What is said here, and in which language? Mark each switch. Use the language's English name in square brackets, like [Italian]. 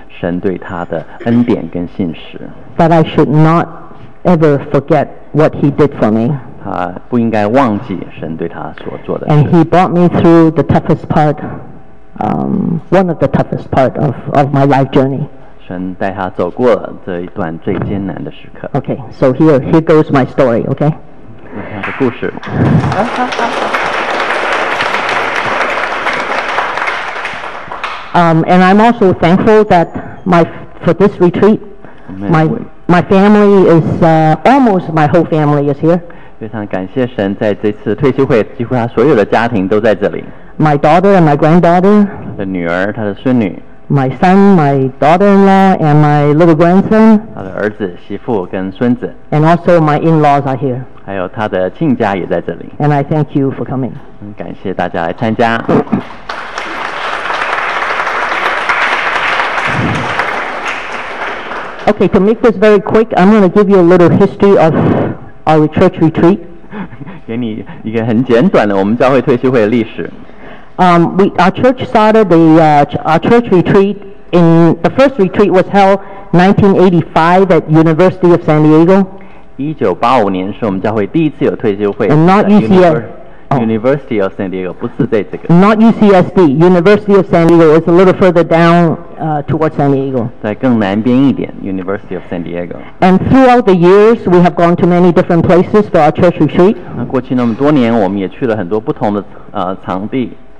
[Chinese] 看到她的头发这样是提醒她自己神对她的恩典跟信实。 [English] That I should not ever forget what he did for me. [Chinese] 他不应该忘记神对他所做的事。 [English] And he brought me through the toughest part, one of the toughest part of my life journey. [Chinese] 神带他走过了这一段最艰难的时刻。 [English] Okay, so here goes my story, okay? [Chinese] 他的故事。 [English] And I'm also thankful that for this retreat, my family is, almost my whole family is here. [Chinese] 非常感谢神在这次退休会，几乎他所有的家庭都在这里。 [English] My daughter and my granddaughter. [Chinese] 他的女儿，他的孙女。 [English] My son, my daughter-in-law, and my little grandson. [Chinese] 他的儿子，媳妇跟孙子。 [English] And also my in-laws are here. [Chinese] 还有他的亲家也在这里。 [English] And I thank you for coming. [Chinese] 感谢大家来参加。 [English] Okay, to make this very quick, I'm going to give you a little history of our church retreat. [Chinese] 给你一个很简短的我们教会退休会的历史。 [English] Our church retreat in the first retreat was held 1985 at University of San Diego. [Chinese] 1985年是我们教会第一次有退休会。 [English] And not UCL. [Chinese] University of San Diego, 不是在这个。 [English] Not UCSD, University of San Diego. It's a little further down towards San Diego. [Chinese] 在更南边一点, University of San Diego. [English] And throughout the years, we have gone to many different places for our church retreat. [Chinese] 过去那么多年, 我们也去了很多不同的, 场地。